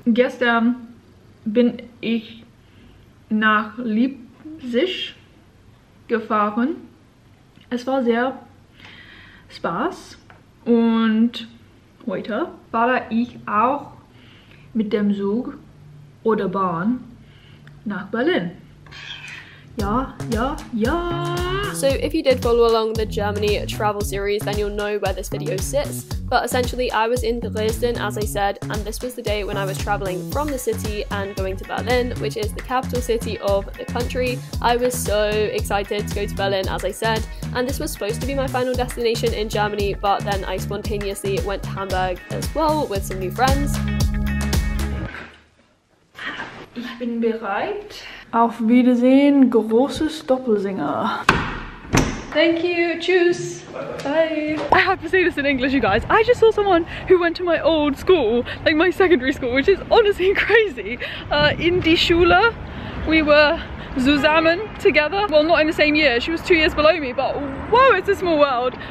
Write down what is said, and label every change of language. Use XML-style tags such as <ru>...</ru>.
<de>Gestern bin ich nach Leipzig gefahren. Es war sehr Spaß. Und heute fahre ich auch mit dem Zug oder Bahn nach Berlin. Ja.</de> <en>So if you did follow along the Germany travel series, then you'll know where this video sits. But essentially, I was in Dresden, as I said, and this was the day when I was traveling from the city and going to Berlin, which is the capital city of the country. I was so excited to go to Berlin, as I said, and this was supposed to be my final destination in Germany, but then I spontaneously went to Hamburg as well with some new friends.</en> <de>Ich bin bereit. Auf Wiedersehen, großes Doppelsinger.</de> <en>Thank you,</en> <de>tschüss.</de> <en>Bye. I have to say this in English, you guys. I just saw someone who went to my old school, like my secondary school, which is honestly crazy.</en> <de>In die Schule,</de> <en>we were</en> <de>zusammen</de> <en>together. Well, not in the same year. She was 2 years below me, but whoa, it's a small world.</en>